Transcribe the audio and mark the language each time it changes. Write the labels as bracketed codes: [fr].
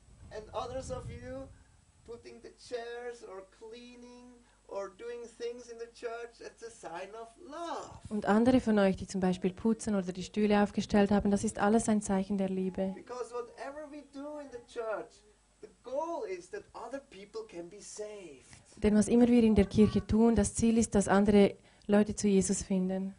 [en] And others of you putting the chairs or cleaning or doing things in the church, it's a sign of love. [de] Und andere von euch, die zum Beispiel putzen oder die Stühle aufgestellt haben, das ist alles ein Zeichen der Liebe. [en] Because whatever we do in the church, the goal is that other people can be saved. [de] Denn was immer wir in der Kirche tun, das Ziel ist, dass andere Leute zu Jesus finden.